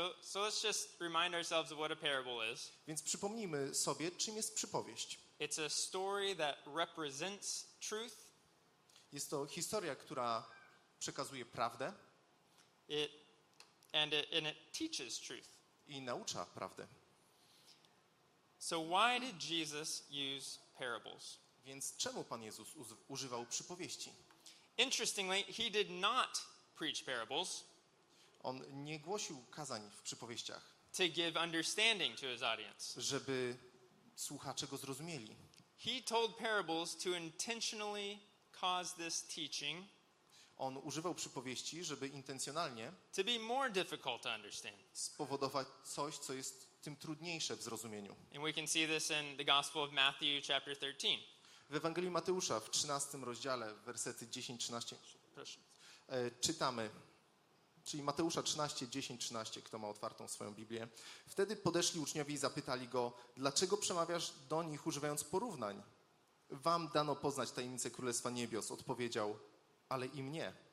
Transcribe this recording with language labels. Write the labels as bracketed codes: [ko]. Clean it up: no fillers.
[en] So let's just remind ourselves of what a parable is. [pl] Więc przypomnijmy sobie, czym jest przypowieść. [en] It's a story that represents truth. [pl] Jest to historia, która przekazuje prawdę. [en] It teaches truth. [pl] I naucza prawdy. [en] So why did Jesus use parables? [pl] Więc czemu Pan Jezus używał przypowieści? [en] Interestingly, he did not preach parables. [pl] On nie głosił kazań w przypowieściach. [en] To give understanding to his audience. [pl] Żeby słuchacze go zrozumieli. [en] He told parables to intentionally cause this teaching. [pl] On używał przypowieści, żeby intencjonalnie [en] to be more difficult to understand. [pl] Spowodować coś, co jest tym trudniejsze w zrozumieniu. [en] And we can see this in the Gospel of Matthew, chapter 13. [pl] W Ewangelii Mateusza w 13 rozdziale, wersety 10-13, czytamy, czyli Mateusza 13, 10-13, kto ma otwartą swoją Biblię. Wtedy podeszli uczniowie i zapytali go, dlaczego przemawiasz do nich, używając porównań? Wam dano poznać tajemnicę Królestwa Niebios, odpowiedział, ale im nie.